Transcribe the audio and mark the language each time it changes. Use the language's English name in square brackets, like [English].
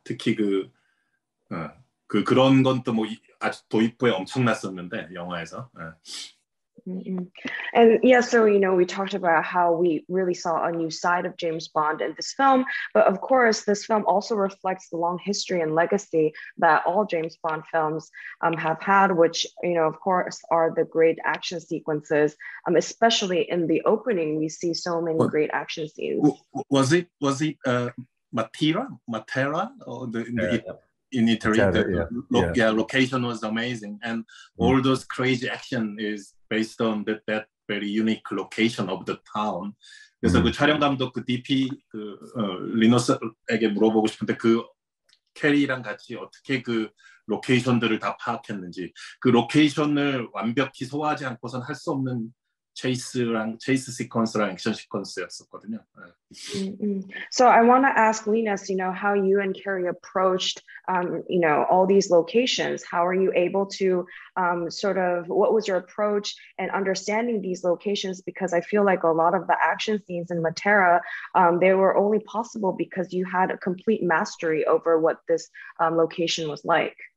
[Korean] 특히 그런 건 또 뭐 아주 도입부에 엄청났었는데 영화에서. 예. Mm-hmm. [English] And yeah, so, you know, we talked about how we really saw a new side of James Bond in this film. But of course, this film also reflects the long history and legacy that all James Bond films have had, which, you know, of course, are the great action sequences, especially in the opening. We see so many great action scenes. Was it Matera? Matera? Or the, yeah. in Italy. Location was amazing, and all those crazy action is based on that very unique location of the town. [Korean] 그래서 그 촬영 감독 그 DP 그 리너스에게 물어보고 싶은데 그 캐리랑 같이 어떻게 그 로케이션들을 다 파악했는지 그 로케이션을 완벽히 소화하지 않고선 할 수 없는 체이스 시퀀스랑 액션 시퀀스였었거든요. [English] So I want to ask Linus, you know, how you and Cary approached, you know, all these locations. How are you able to sort of, what was your approach and understanding these locations? Because I feel like a lot of the action scenes in Matera, they were only possible because you had a complete mastery over what this location was like.